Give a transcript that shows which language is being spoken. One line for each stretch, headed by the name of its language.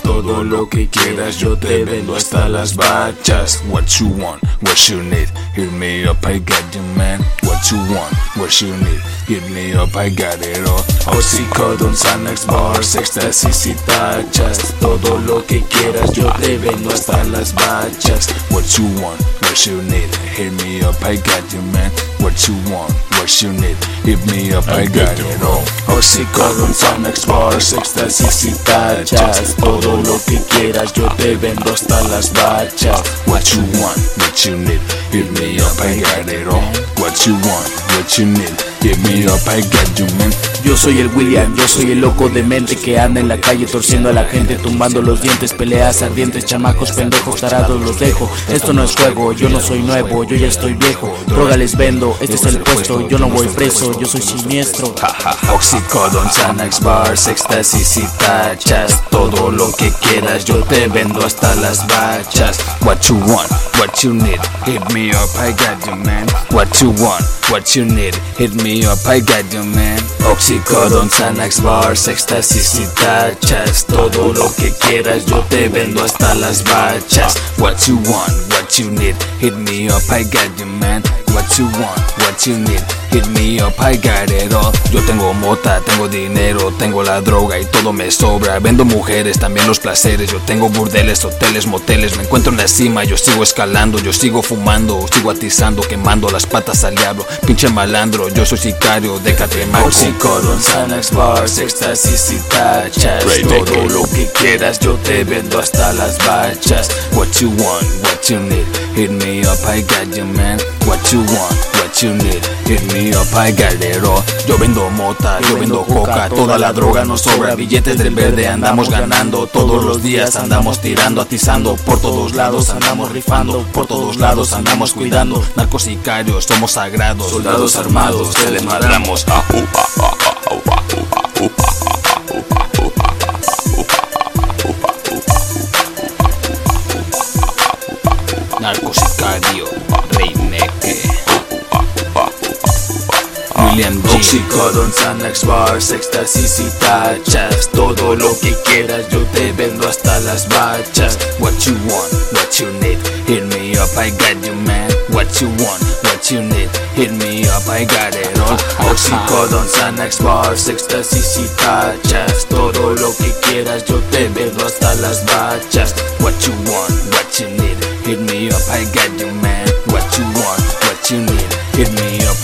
Spanish: Todo lo que quieras yo te vendo hasta las bachas.
English: What you want, what you need, hit me up, I got you man. What you want, what you need, hit me up, I got it all.
Spanish: Oxycodone, Zanax bars, Extacys y Tachas. Todo lo que quieras yo te vendo hasta las bachas.
English: What you want, what you need, hit me up, I got you man. What you want, what you need, hit me up, I got it all.
Spanish: Oxycodone, Zanax bars, Extacys y Tachas. Todo lo que quieras yo te vendo hasta las bachas.
English: What you want, what you need, hit me up, I got it all. What you want, what you need, hit me up, I got you man.
Spanish: Yo soy el William, yo soy el loco de mente que anda en la calle torciendo a la gente, tumbando los dientes, peleas ardientes, chamacos, pendejos, tarados, los dejo. Esto no es juego, yo no soy nuevo, yo ya estoy viejo. Droga les vendo, este es el puesto, yo no voy preso, yo soy siniestro. Oxycodone, Xanax bars, Extacys y Tachas. Todo lo que quieras, yo te vendo hasta las bachas.
English: What you want, what you need, hit me up, I got you man. What you want, what you need, hit me up, I got you man.
Spanish: Oxycodone, Xanax bars, Extacys y Tachas. Todo lo que quieras, yo te vendo hasta las bachas.
English: What you want, what you need, hit me up, I got you man. What you want, what you need, hit me up, I got it all.
Spanish: Yo tengo mota, tengo dinero, tengo la droga y todo me sobra. Vendo mujeres, también los placeres. Yo tengo burdeles, hoteles, moteles. Me encuentro en la cima, yo sigo escalando. Yo sigo fumando, sigo atizando, quemando las patas al diablo. Pinche malandro, yo soy sicario, déjate marco. Oxycodone, Xanax bars, Extacys y Tachas. Todo lo que quieras, yo te vendo hasta las bachas.
English: What you want, what you need, hit me up, I got you man. What you want, what you need, hit me up, I got it all.
Spanish: Yo vendo mota, yo vendo coca, toda la droga nos sobra, billetes del verde andamos ganando. Todos los días andamos tirando, atizando, por todos lados andamos rifando. Por todos lados andamos cuidando, narcos sicarios, somos sagrados. Soldados armados, te demaramos. Narco sicario, Reinecke. Oxycodone, Xanax bars, Extacys y Tachas. Todo lo que quieras yo te vendo hasta las bachas.
English: What you want, what you need, hit me up, I got you man. What you want, what you need, hit me up, I got it all.
Spanish: Oxycodone, Xanax bars, Extacys y Tachas. Todo lo que quieras yo te vendo hasta las bachas.
English: What you want, what you need, hit me up, I got you man. What you want, what you need, hit me up.